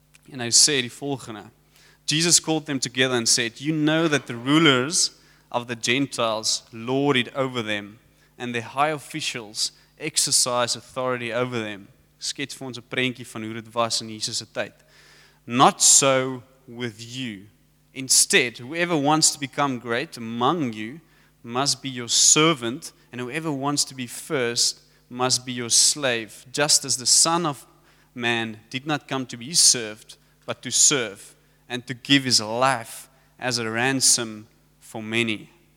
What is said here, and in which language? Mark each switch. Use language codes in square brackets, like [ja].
[af] En hy sê die volgende: [en] Jesus called them together and said, "You know that the rulers of the Gentiles lord it over them, and their high officials exercise authority over them." [af] Skets vir ons 'n prentjie van hoe dit was in Jesus se tyd. [en] "Not so with you. Instead, whoever wants to become great among you must be your servant, and whoever wants to be first must be your slave, just as the Son of Man did not come to be served, but to serve, and to give his life as a ransom for many."